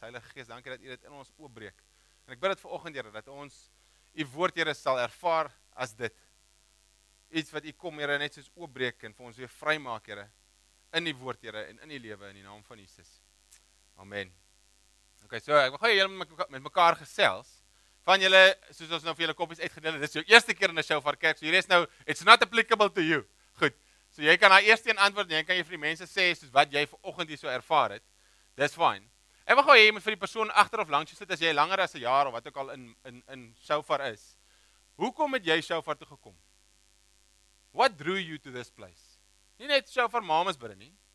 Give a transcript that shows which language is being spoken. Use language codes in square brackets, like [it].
[af] Heilige Gees, dankie dat u dit in ons oopbreek. En ek bid dit vanoggend, Here, dat ons u woord, Here, sal ervaar as dit. Iets wat u kom, Here, net soos oopbreek en vir ons weer vrymaak, Here, in u woord, Here, en in u lewe in die naam van Jesus. Amen. OK, so ek wil gou julle met mekaar gesels. Van julle, soos ons nou vir julle koppies uitgedeel het, dis jou eerste keer in 'n Shofar kerk. So hier is nou, [en] it's not applicable to you. [af] Goed. So jy kan daai eerste een antwoord, jy kan jy vir die mense sê soos wat jy vanoggend hier so ervaar het. Dis fine. Ek wil gou hê jy moet vir die persoon agter of langs jou sit as jy langer as 'n jaar of wat ook al in Shofar is. Hoekom het jy Shofar toe gekom? [en] What drew you to this place? [af] Nie net Shofar Mamasbury nie.